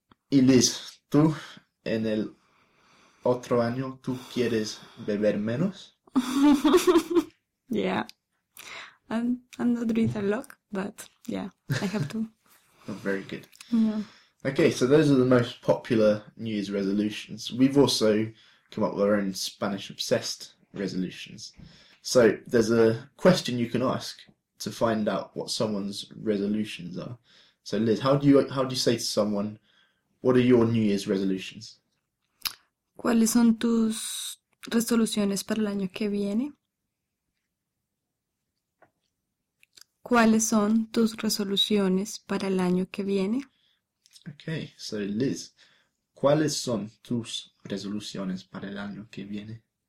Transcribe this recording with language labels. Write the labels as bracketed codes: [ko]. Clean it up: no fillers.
[es] Y Liz, tú en el otro año, ¿tú quieres beber menos? [en] Yeah, I'm not drink a lot, but yeah, I have to. Not very good. Yeah. Okay, so those are the most popular New Year's resolutions. We've also come up with our own Spanish obsessed resolutions. So there's a question you can ask to find out what someone's resolutions are. So Liz, how do you say to someone, what are your New Year's resolutions? [es] ¿Cuáles son tus resoluciones para el año que viene? ¿Cuáles son tus resoluciones para el año que viene? [en] Okay, so [es] Liz, ¿cuáles son tus resoluciones para el año que viene?